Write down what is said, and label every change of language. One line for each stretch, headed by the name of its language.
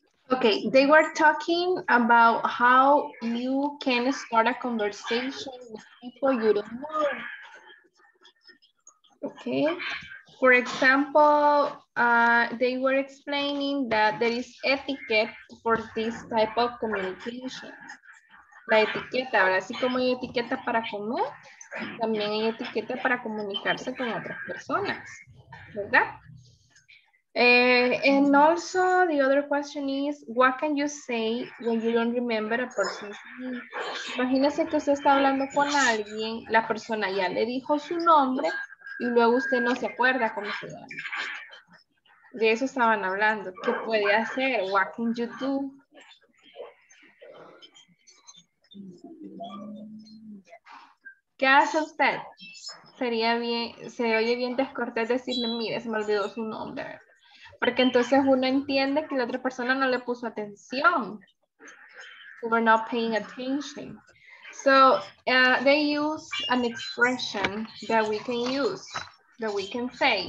English: Okay, they were talking about how you can start a conversation with people you don't know. Okay. For example, they were explaining that there is etiquette for this type of communication.
Spanish: La etiqueta, ahora así como hay etiqueta para comer, también hay etiqueta para comunicarse con otras personas, ¿verdad?
English: And also the other question is, what can you say when you don't remember a person's name?
Spanish: Imagínese que usted está hablando con alguien, la persona ya le dijo su nombre y luego usted no se acuerda cómo se llama. De eso estaban hablando. ¿Qué puede hacer?
English: What can you do?
Spanish: ¿Qué hace usted? Sería bien, se oye bien descortés decirle, mire, se me olvidó su nombre. Porque entonces uno entiende que la otra persona no le puso atención.
English: We were not paying attention. So they use an expression that we can use, that we can say.